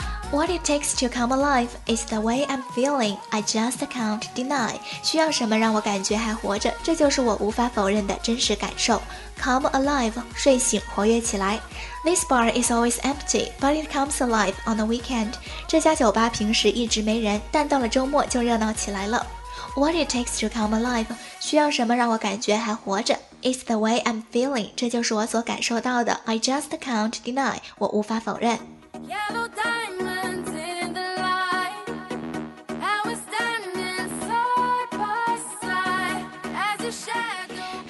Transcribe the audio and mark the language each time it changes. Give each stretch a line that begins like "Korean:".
English: What it takes to come alive is the way I'm feeling. I just can't deny.
Chinese: 需要什么让我感觉还活着？这就是我无法否认的真实感受。 Come alive, 睡醒，活跃起来。
English: This bar is always empty, but it comes alive on the weekend.
Chinese: 这家酒吧平时一直没人，但到了周末就热闹起来了。
English: What it takes to come alive,
Chinese: 需要什么让我感觉还活着？
English: It's the way I'm feeling.
Chinese: 这就是我所感受到的。
English: I just can't deny.
Chinese: 我无法否认。
English: Yellow diamonds in the light. I was standing side by side as a shadow.